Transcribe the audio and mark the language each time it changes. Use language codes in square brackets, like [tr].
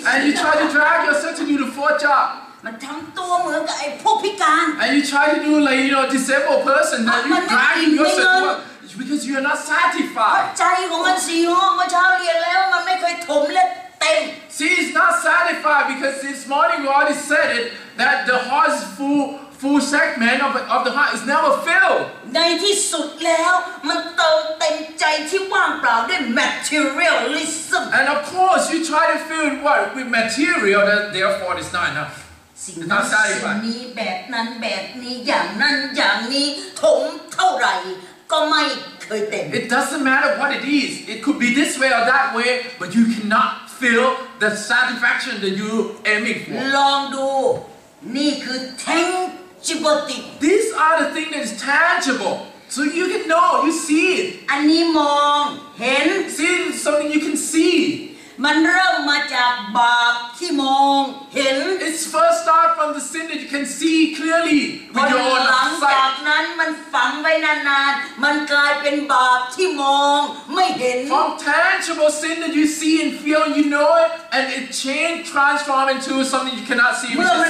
[en] And you try to drag yourself to do the fourth job [th] มันทำตัวเหมือนกับไอ้พวกพิการ [en] And you try to do like you know disabled person that you dragging yourself because you're not satisfied [th] ใจของมันสี่ห้องเมื่อเช้าเรียนแล้วมันไม่เคยถมเลยเต็ม [en] See it's not satisfied because this morning we already said it that the heart is full segment of the heart is never filled [th] ในที่สุดแล้วมันเติมเต็มใจที่ว่างเปล่าด้วย materialism [en] and of course you try to fill it what with material that therefore it's not enough [th] สิ่งนี้แบบนั้นแบบนี้อย่างนั้นอย่างนี้ถมเท่าไหร่ก็ไม่เคยเต็ม [en] it doesn't matter what it is it could be this way or that way but you cannot fill the satisfaction that you aiming for [th] ลองดูนี่คือ tank [en] These are the things that is tangible. So you can know, you see it. [th] อันนี้มองเห็น [en] See something you can see. [th] มันเริ่มมาจากบาปที่มองเห็น [en] It's first start from the sin that you can see clearly with your own sight [th] หลังจากนั้นมันฝังไว้นานๆมันกลายเป็นบาปที่มองไม่เห็น [en] From tangible sin that you see and feel you know it and it change transform into something you cannot see which is selfishness